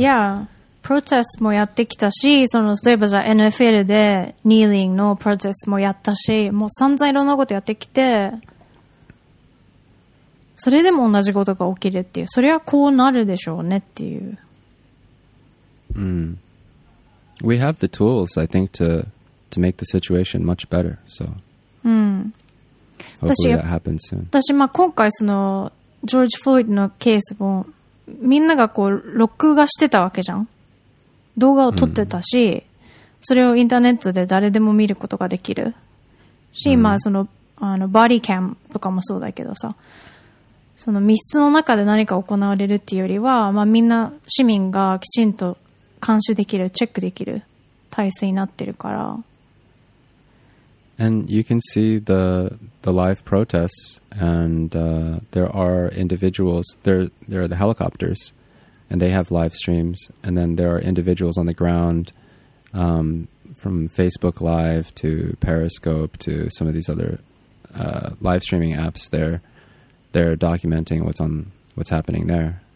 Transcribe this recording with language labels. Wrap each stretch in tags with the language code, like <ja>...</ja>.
<en>Yeah,</en> <ja>protests もやってきたし、その例えばじゃあ NFL で kneeling の protests もやったし、もう散々いろんなことやってきて、それでも同じことが起きるっていう、それはこうなるでしょうねっていう。</ja> <en>We have the tools, I think, to make the situation much better. So. Hopefully that happens soon.</en> <ja>私まあ今回そのジョージ・フロイドのケースもみんながこう録画してたわけじゃん、動画を撮ってたし、それをインターネットで誰でも見ることができるし、まあその、あのバディキャンとかもそうだけどさ、その密室の中で何か行われるっていうよりは、まあみんな市民がきちんと監視できる、チェックできる体制になってるから。</ja> <en>And you can see the live protests, and there are individuals, there are the helicopters, and they have live streams, and then there are individuals on the ground, from Facebook Live to Periscope to some of these other live streaming apps, they're documenting what's happening there.</en>